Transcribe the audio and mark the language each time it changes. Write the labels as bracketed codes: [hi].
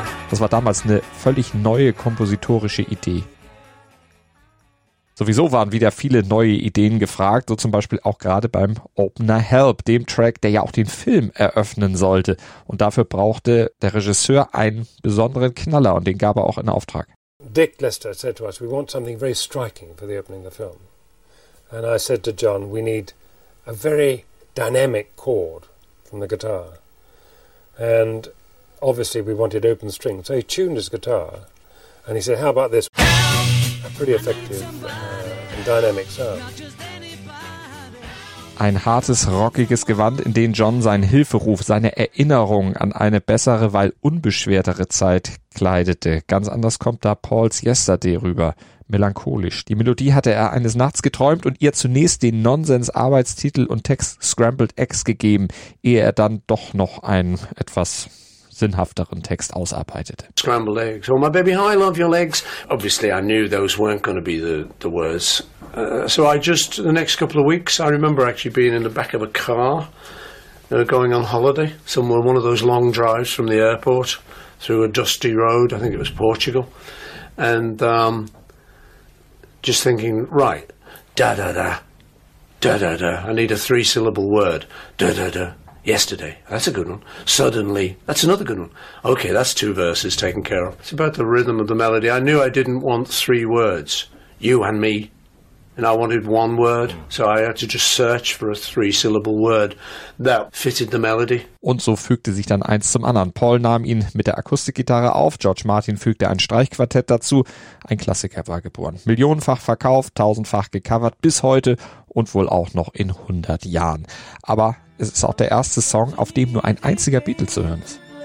[de] Das war damals eine völlig neue kompositorische Idee. Sowieso waren wieder viele neue Ideen gefragt, so zum Beispiel auch gerade beim Opener Help, dem Track, der ja auch den Film eröffnen sollte. Und dafür brauchte der Regisseur einen besonderen Knaller und den gab er auch in Auftrag. [en] Dick Lester said to us, we want something very striking for the opening of the film. And I said to John, we need a very dynamic chord from the guitar. And obviously we wanted open string. So he tuned his guitar and he said, how about this? Pretty effective and dynamic sound. [de] Ein hartes, rockiges Gewand, in dem John seinen Hilferuf, seine Erinnerung an eine bessere, weil unbeschwertere Zeit kleidete. Ganz anders kommt da Paul's Yesterday rüber. Melancholisch. Die Melodie hatte er eines Nachts geträumt und ihr zunächst den Nonsens-Arbeitstitel und Text Scrambled Eggs gegeben, ehe er dann doch noch einen etwas sinnhafteren Text ausarbeitete. [en] Scrambled eggs. Oh, my baby, how I love your legs. Obviously, I knew those weren't going to be the words. So I just, the next couple of weeks, I remember actually being in the back of a car, going on holiday somewhere, one of those long drives from the airport through a dusty road, I think it was Portugal, and just thinking, right, da-da-da, da-da-da, I need a three-syllable word, da-da-da. Yesterday, that's a good one. Suddenly, that's another good one. Okay, that's two verses taken care of. It's about the rhythm of the melody. I knew I didn't want three words, you and me, and I wanted one word. So I had to just search for a three-syllable word that fitted the melody. [de] Und so fügte sich dann eins zum anderen. Paul nahm ihn mit der Akustikgitarre auf, George Martin fügte ein Streichquartett dazu. Ein Klassiker war geboren. Millionenfach verkauft, tausendfach gecovert, bis heute und wohl auch noch in 100 Jahren. Aber es ist auch der erste Song, auf dem nur ein einziger Beatle zu hören ist.